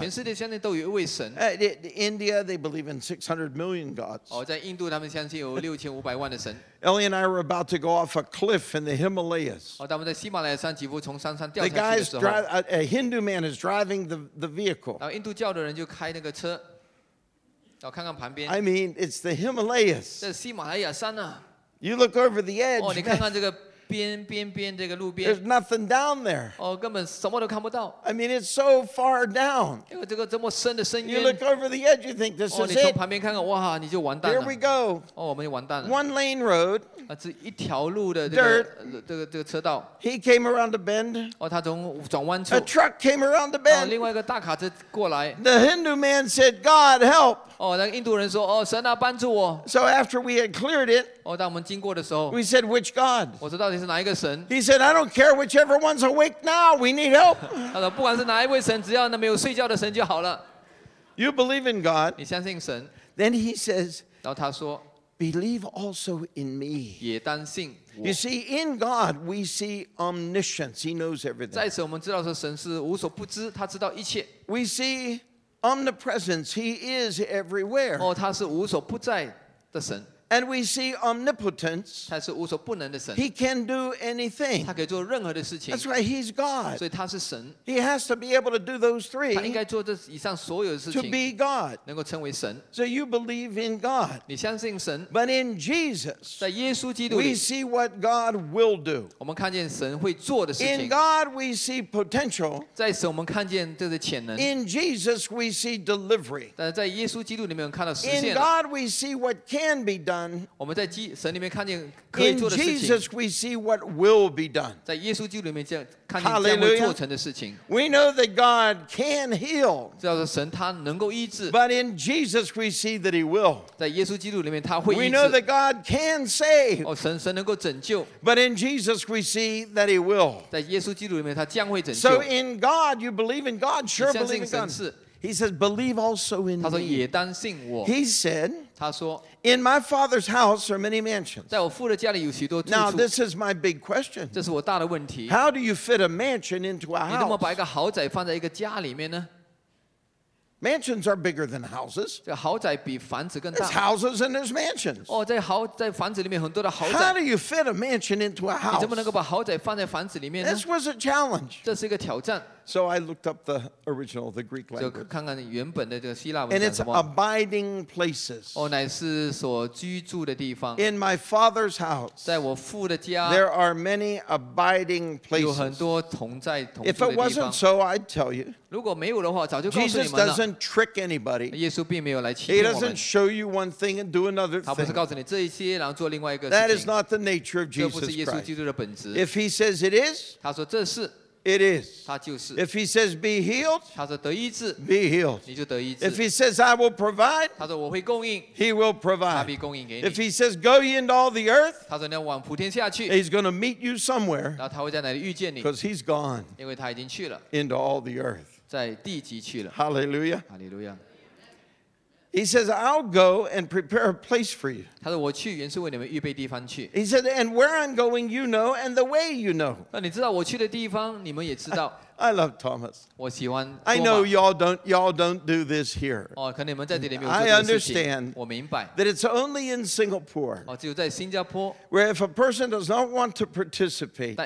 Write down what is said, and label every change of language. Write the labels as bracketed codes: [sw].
[zh] 全世界相信都有一位神。 [en] India, they believe in 600 million gods. [zh] 哦，在印度他们相信有六千五百万的神。 [en] Ellie and I were about to go off a cliff in the Himalayas. [zh] 哦，他们在喜马拉雅山几乎从山上掉下去的时候。 [en] A Hindu man is driving the vehicle. [zh] 然后印度教的人就开那个车。看看旁边, [en] I mean, it's the Himalayas. [zh] 这是喜马拉雅山啊。 [en] You look over the edge. [zh] 哦，你看看这个边这个路边。 [en] There's nothing down there. [zh] 哦，根本什么都看不到。 [en] I mean, it's so far down. [zh] 因为这个这么深的深渊。 [en] You look over the edge, you think this is it. [zh] 哦，你从旁边看看，哇，你就完蛋了。 [en] Here we go. [zh] 哦，我们就完蛋了。 [en] One lane road. [zh] 啊，这一条路的这个车道。 [en] He came around the bend. [zh] 哦，他从转弯处。 [en] A truck came around the bend. [zh] 哦，另外一个大卡车过来。 [en] The Hindu man said, "God help." [zh] 哦，那个印度人说，哦，神啊，帮助我。 [en] So after we had cleared it. [zh] 哦，当我们经过的时候。 [en] We said, "Which God?" [zh] 我说到底。 [en] He said, "I don't care whichever one's awake now. We need help." [zh] 他说，不管是哪一位神，只要那没有睡觉的神就好了。 [en] You believe in God? [zh] 你相信神。 [en] Then he says, [zh] 然后他说 [en] "Believe also in me." [zh] 也单信。 [en] You see, in God we see omniscience. He knows everything. [zh] 在此我们知道说神是无所不知，他知道一切。 [en] We see omnipresence. He is everywhere. [zh] 哦，他是无所不在的神。 [en] And we see omnipotence. [zh] 他是无所不能的神。 [en] He can do anything. [zh] 他可以做任何的事情。 [en] That's why he's God. [zh] 所以他是神。 [en] He has to be able to do those three. [zh] 他应该做这以上所有的事情。 [en] To be God. [zh] 能够称为神。 [en] So you believe in God. [zh] 你相信神。 [en] But in Jesus. [zh] 在耶稣基督里。 [en] We see what God will do. [zh] 我们看见神会做的事情。 [en] In God we see potential. [zh] 在此我们看见这个潜能。 [en] In Jesus we see delivery. [zh] 但在耶稣基督里面看到实现。 [en] In God we see what can be done. [zh] 我们在神里面看见可以做的事情。 [en] In Jesus, we see what will be done. [zh] 在耶稣基督里面将看见将会做成的事情。 [en] We know that God can heal. [zh] 知道神他能够医治。 [en] But in Jesus, we see that He will. [zh] 在耶稣基督里面他会医治。 [en] We know that God can save. [zh] 哦，神能够拯救。 [en] But in Jesus, we see that He will. [zh] 在耶稣基督里面他将会拯救。 [en] So in God, you believe in God. Sure, believe in God. He says, "Believe also in me." [zh] 他说也单信我。 [en] He said. [zh] 他说 [en] In my father's house are many mansions. [zh] 在我父的家里有许多住处。 [en] Now this is my big question. [zh] 这是我大的问题。 [en] How do you fit a mansion into a house? [zh] 你怎么把一个豪宅放在一个家里面呢？ [en] Mansions are bigger than houses. [zh] 这豪宅比房子更大。 [en] There's houses and there's mansions. [zh] 哦，在房子里面很多的豪宅。 [en] How do you fit a mansion into a house? [zh] 你怎么能够把豪宅放在房子里面呢？ [en] This was a challenge. [zh] 这是一个挑战。 [en] So I looked up the original, the Greek language. [zh] 就看看原本的这个希腊文。 [en] And it's abiding places. [zh] 哦，乃是所居住的地方。 [en] In my father's house. [zh] 在我父的家。 [en] There are many abiding places. [zh] 有很多同在同住的地方。 [en] If it wasn't so, I'd tell you. [zh] 如果没有的话，早就告诉你们 [en] 了。Jesus doesn't trick anybody. [zh] 耶稣并没有来欺骗我们。 [en] He doesn't show you one thing and do another thing. [zh] 他不是告诉你这一些，然后做另外一个事情。 [en] That is not the nature of Jesus Christ. [zh] 这不是耶稣基督的本质。 [en] If he says it is. [zh] 他说这是。 [en] It is. [zh] 他就是。 [en] If he says be healed, [zh] 他说得医治。 [en] Be healed. [zh] 你就得医治。 [en] If he says I will provide, [zh] 他说我会供应。 [en] He will provide. [zh] 他必供应给你。 [en] If he says go ye into all the earth, [zh] 他说你要往普天下去。 [en] He's going to meet you somewhere. [zh] 然后他会在哪里遇见你。 [en] Because he's gone. [zh] 因为他已经去了。 [en] Into all the earth. [zh] 在地极去了。 [en] Hallelujah. Hallelujah. He says I'll go and prepare a place for you. [zh] 他说我去原是为你们预备地方去。 [en] He said and where I'm going you know and the way you know. [zh] 那你知道我去的地方你们也知道。 [en] I love Thomas. [zh] 我喜欢。 [en] I know y'all don't do this here. [zh] 哦，可能你们在这里没有。 [en] I understand. [zh] 我明白。 [en] That it's only in Singapore. [zh] 哦，只有在新加坡。 [en] Where if a person does not want to participate.